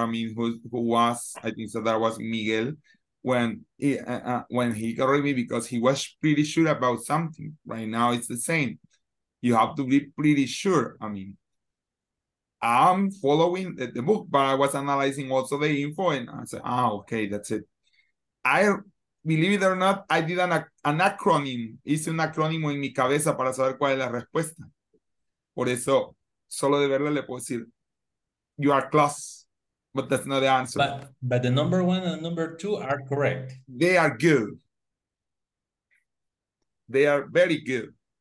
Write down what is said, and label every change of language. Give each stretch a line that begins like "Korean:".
English: I mean, who was? I think so that was Miguel when he got rid of me because he was pretty sure about something. Right now, it's the same. You have to be pretty sure. I mean, I'm following the book, but I was analyzing also the info, and I said, "Ah, okay, that's it." I believe it or not, I did an acronym.
Spanish: Hice un acrónimo en mi cabeza para saber cuál es la respuesta. Por eso, solo de verla le puedo decir,
English: "You are close," but that's not the answer. But the number one and number two are correct. They are good. They are very good.